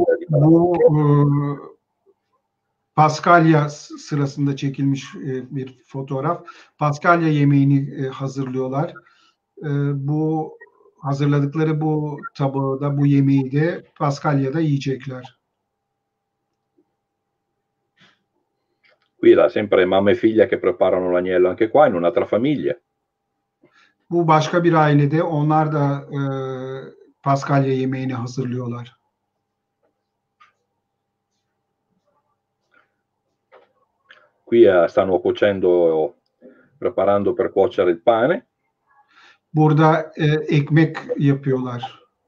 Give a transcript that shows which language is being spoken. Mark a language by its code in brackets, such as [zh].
[tr] Bu Paskalya sırasında çekilmiş bir fotoğraf. Paskalya yemeğini hazırlıyorlar. Bu hazırladıkları bu tabağı da, bu yemeği de Paskalya'da yiyecekler. [it] Qui la sempre mamma e figlia che preparano l'agnello anche qua in un'altra famiglia. [tr] Bu başka bir ailede onlar da Paskalya yemeğini hazırlıyorlar. [it] Qui stanno cuocendo, preparando per cuocere il pane. [tr] Burada ekmek yapıyorlar.